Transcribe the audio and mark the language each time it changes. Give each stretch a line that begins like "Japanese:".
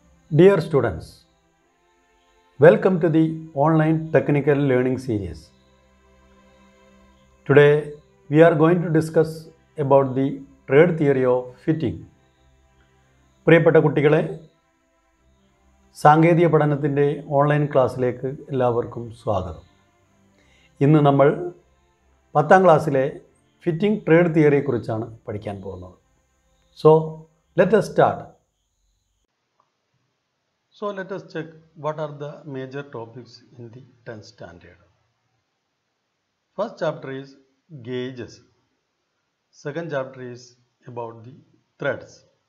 English: Dear students, welcome to the online technical learning series. Today we are going to discuss about the trade theory of fitting.
Malayalam: പ്രിയപ്പെട്ട കുട്ടികളെ, സാങ്കേതിക പഠനത്തിൻ്റെ online ക്ലാസ്സിലേക്ക് എല്ലാവർക്കും സ്വാഗതം. ഇന്ന് നമ്മൾ 10-ാം ക്ലാസ്സിലെ ഫിറ്റിംഗ് ട്രേഡ് തിയറിയെക്കുറിച്ചാണ് പഠിക്കാൻ പോകുന്നത്.
English: So let us start. So let us check what are the major topics in the 10th standard. First chapter is gauges. Second chapter is about the threads.